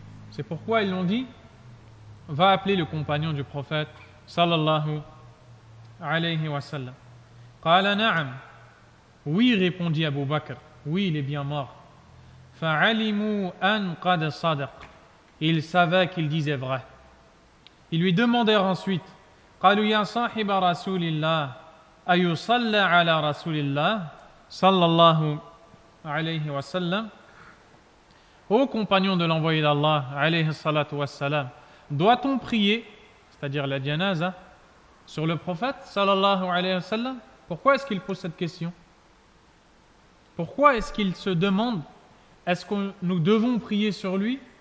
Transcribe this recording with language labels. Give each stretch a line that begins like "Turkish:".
French: C'est pourquoi ils l'ont dit, va appeler le compagnon du prophète, sallallahu alayhi wa sallam.
Arabic: Qala na'am.
French: Oui, répondit Abu Bakr. Oui, il est bien mort.
Arabic: Fa'alimu an qad sadaq.
French: Il savait qu'il disait vrai. Ils lui demandèrent ensuite,
Arabic: قالوا يا صاحب رسول الله أيصلى على رسول الله صلى الله عليه وسلم.
French: Ô compagnon de l'envoyé d'Allah, عليه الصلاة والسلام, doit-on prier, c'est-à-dire la janaza, sur le prophète, صلى الله عليه وسلم? Pourquoi est-ce qu'il pose cette question? Pourquoi est-ce qu'il se demande, est-ce que nous devons prier sur lui?